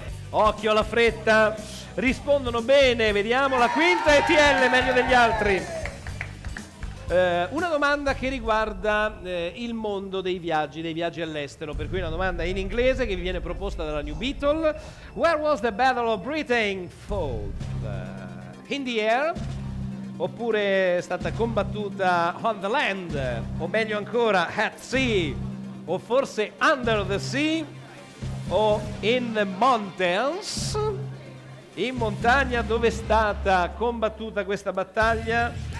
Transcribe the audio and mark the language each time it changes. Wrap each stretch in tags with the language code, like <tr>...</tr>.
<it>Occhio alla fretta, rispondono bene, vediamo la quinta ETL, meglio degli altri. Una domanda che riguarda il mondo dei viaggi all'estero, per cui una domanda in inglese che vi viene proposta dalla New Beetle.</it> <en>Where was the Battle of Britain fought? In the air?</en> <it>Oppure è stata combattuta</it> <en>on the land?</en> <it>O meglio ancora,</it> <en>at sea?</en> <it>O forse</it> <en>under the sea?</en> <it>O</it> <en>in the mountains?</en> <it>In montagna, dove è stata combattuta questa battaglia?</it>